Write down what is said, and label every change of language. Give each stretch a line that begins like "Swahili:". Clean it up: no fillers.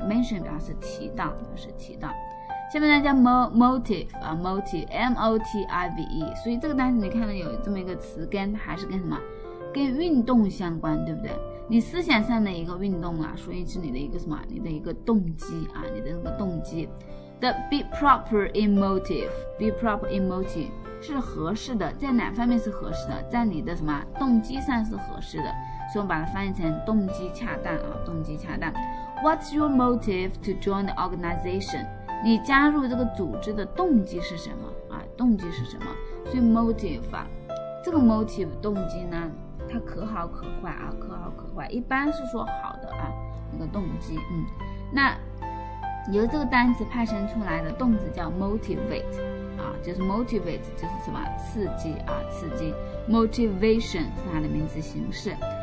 Chinese: mention 表示提到，表示提到。下面呢叫 motive 啊， motive， 所以这个单词你看到有这么一个词根，还是跟什么？跟运动相关，对不对？你思想上的一个运动啊，所以是你的一个什么？你的一个动机啊，你的一个动机。
English: the be proper in motive， be proper in motive
Chinese: 是合适的，在哪方面是合适的？在你的什么动机上是合适的，所以我把它翻译成动机恰当啊，动机恰当。
English: What's your motive to join the organization？
Chinese: 你加入这个组织的动机是什么啊？动机是什么？所以 motive 啊，这个 motive 动机呢，它可好可坏啊，可好可坏。一般是说好的啊，个动机。嗯，那由这个单词派生出来的动词叫 motivate 啊，就是 motivate 就是什么刺激啊，刺激 motivation 是它的名词形式。